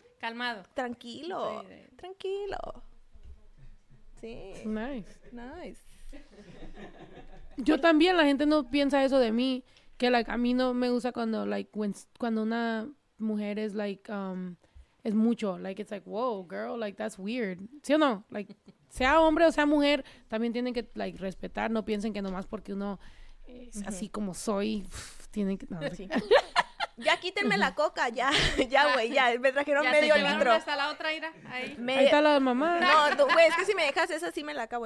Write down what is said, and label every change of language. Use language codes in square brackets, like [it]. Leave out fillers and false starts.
[es] calmado. Tranquilo. Tranquilo. Sí. Nice. Yo también, la gente no piensa eso de mí. Que like, a mí no me gusta cuando like cuando una mujer es like es mucho. [en] Like it's like, whoa, girl, like that's weird. [es] ¿Sí o no? Like, sea hombre o sea mujer, también tienen que, like, respetar. No piensen que nomás porque uno es así como soy, tienen que... No, sí. Ya quítenme la coca, ya, güey, ya. Me trajeron ya medio litro. Ya, hasta la otra, ira. Ahí está la mamá. No, güey, es que si me dejas esa, sí me la acabo.